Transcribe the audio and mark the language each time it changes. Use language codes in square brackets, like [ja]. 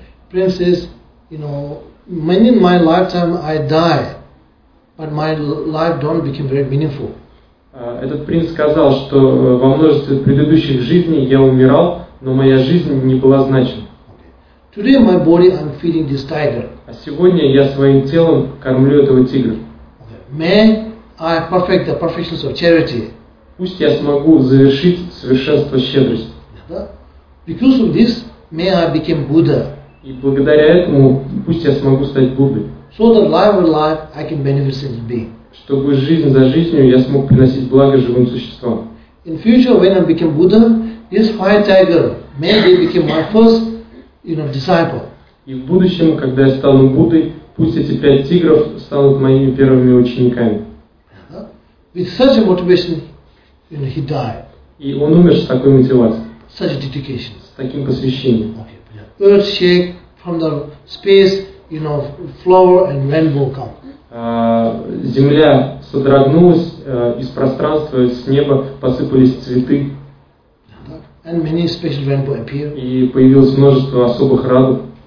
[en] Принц says, you know, many in my lifetime I die, but my life don't become very meaningful. [ru] Этот принц сказал, что во множестве предыдущих жизней я умирал, но моя жизнь не была значима. [en] Today my body I'm feeding this tiger. [ru] А сегодня я своим телом кормлю этого тигра. [en] May I perfect the perfections of charity. [ru] Пусть я смогу завершить совершенство щедрости. [en] Because of this, may I become Buddha. [ru] И благодаря этому пусть я смогу стать Буддой. [en] So that life with life I can benefit sentient being. [ru] Чтобы жизнь за жизнью я смог приносить благо живым существам. [en] In future when I become Buddha, this fire tiger may they become my first. You know, disciple. [ru] И в будущем, когда я стану Буддой, пусть эти пять тигров станут моими первыми учениками. [en] With such a motivation, you know, he died. [ru] И он умер с такой мотивацией. [en] Such a dedication. [ru] С таким посвящением. [en] Okay, yeah. Earth shake from the space, you know, flower and rainbow come. [ru] Земля содрогнулась из пространства, с неба посыпались цветы. [en] And many special rainbow appear. [ru] И появилось множество особых радуг.